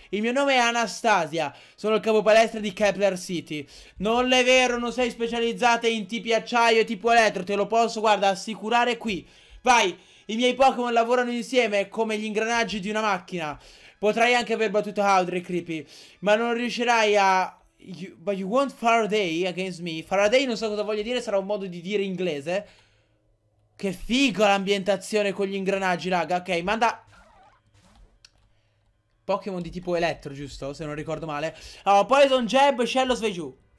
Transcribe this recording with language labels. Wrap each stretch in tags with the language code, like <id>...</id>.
<it>Il mio nome è Anastasia. Sono il capo palestra di Kepler City. Non è vero, non sei specializzata in tipi acciaio e tipo elettro. Te lo posso, guarda, assicurare qui. Vai, i miei Pokémon lavorano insieme come gli ingranaggi di una macchina. Potrai anche aver battuto Audrey, Creepy. Ma non riuscirai a...</it> <en>But you want Faraday against me?</en> <it>Faraday non so cosa voglia dire, sarà un modo di dire inglese. Che figo l'ambientazione con gli ingranaggi, raga. Ok, manda Pokémon di tipo elettro, giusto? Se non ricordo male. Oh, Poison Jab, Shellos vai giù.</it>